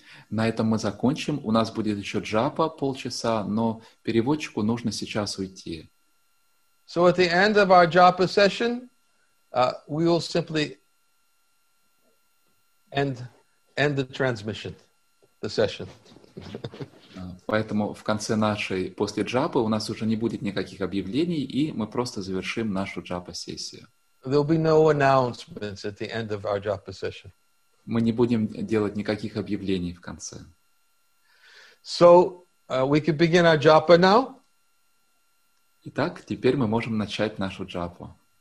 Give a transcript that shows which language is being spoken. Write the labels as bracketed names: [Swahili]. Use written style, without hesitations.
[Russian] На этом мы закончим. У нас будет еще джапа полчаса, но переводчику нужно сейчас уйти. [English] So at the end of our japa session we will simply end the transmission, the session. [Russian] Поэтому в конце нашей, после джапы, у нас уже не будет никаких объявлений, и мы просто завершим нашу джапа-сессию. [English] There'll be no announcements at the end of our japa session. [Russian] Мы не будем делать никаких объявлений в конце. [English] So, we can begin our japa now. [Russian] Итак, теперь мы можем начать нашу джапу.